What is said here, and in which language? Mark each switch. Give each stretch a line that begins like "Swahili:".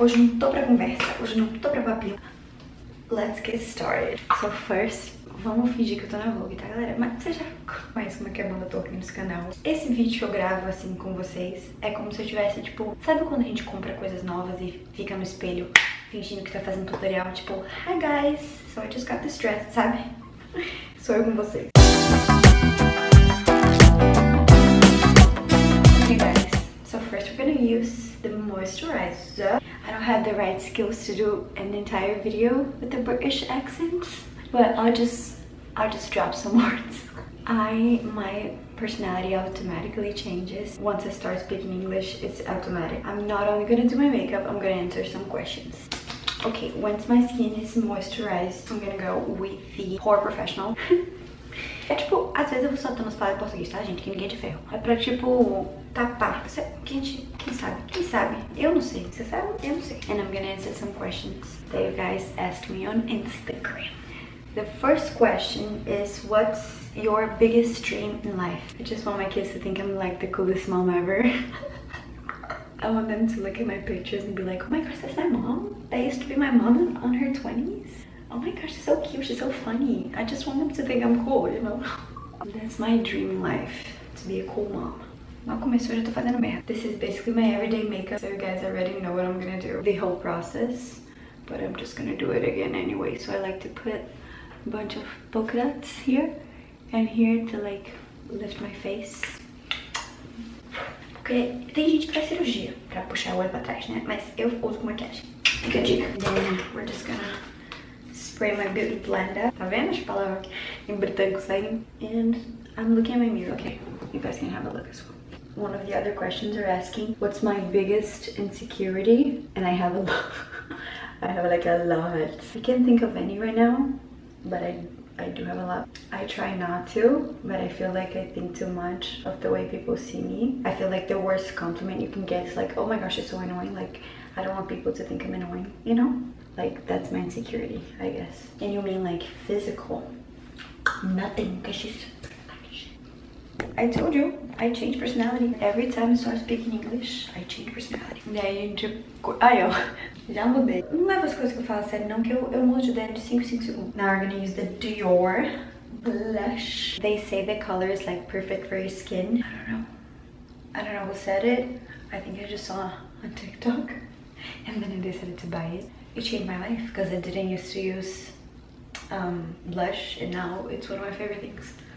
Portuguese: Hoje não tô pra conversa, hoje não tô pra papinho.
English: Let's get started. So first,
Portuguese: vamos fingir que eu tô na Vogue, tá, galera? Mas você já conhece como é que é a banda torre nos canal. Esse vídeo que eu gravo, assim, com vocês, é como se eu tivesse, tipo... Sabe quando a gente compra coisas novas e fica no espelho fingindo que tá fazendo tutorial?
English: Tipo, hi guys, so I just got this dress, sabe?
Portuguese: Sou eu com vocês.
English: Hey guys, so first we're gonna use the moisturizer. I don't have the right skills to do an entire video with the British accent. But I'll just drop some words. My personality automatically changes. Once I start speaking English, it's automatic. I'm not only gonna do my makeup, I'm gonna answer some questions. Okay, once my skin is moisturized, I'm gonna go with the Pore Professional.
Portuguese: É tipo, às vezes eu vou soltando as palavras em português, tá, gente? Que ninguém é de ferro. É pra, tipo, tapar. Quem sabe? Eu não sei. Você sabe? Eu não sei.
English: And I'm gonna answer some questions that you guys asked me on Instagram. The first question is, what's your biggest dream in life? I just want my kids to think I'm like the coolest mom ever. I want them to look at my pictures and be like, oh my gosh, that's my mom? That used to be my mom on her 20s? Oh my gosh, she's so cute, she's so funny. I just want them to think I'm cool, you know? That's my dream in life, to be a cool mom.
Portuguese: Mal começou, já tô fazendo merda.
English: This is basically my everyday makeup, so you guys already know what I'm gonna do. The whole process, but I'm just gonna do it again anyway, so I like to put bunch of polka dots here and here to like lift my face.
Portuguese: Porque tem gente que faz cirurgia pra puxar o olho pra trás, né? Mas eu uso com maquiagem. Fica a dica.
English: Then we're just gonna spray my beauty blender.
Portuguese: Tá vendo as palavras em britânico saindo?
English: And I'm looking at my mirror. Okay, you guys can have a look as well. One of the other questions are asking, what's my biggest insecurity? And I have a lot. I have like a lot. I can't think of any right now. But I do have a lot. I try not to, but I feel like I think too much of the way people see me. I feel like the worst compliment you can get is like, oh my gosh, it's so annoying. Like, I don't want people to think I'm annoying, you know? Like, that's my insecurity, I guess. And you mean like physical? Nothing, because she's... I told you, I change personality. Every time I start speaking English, I change personality.
Portuguese: Daí, tipo, aí, ó, já mudei. Não leva as coisas que eu falo sério, não, que eu mudo de dentro de 5 segundos.
English: Now we're gonna use the Dior blush. They say the color is like perfect for your skin. I don't know who said it. I think I just saw on TikTok. And then I decided to buy it. It changed my life, because I didn't used to use blush, and now it's one of my favorite things.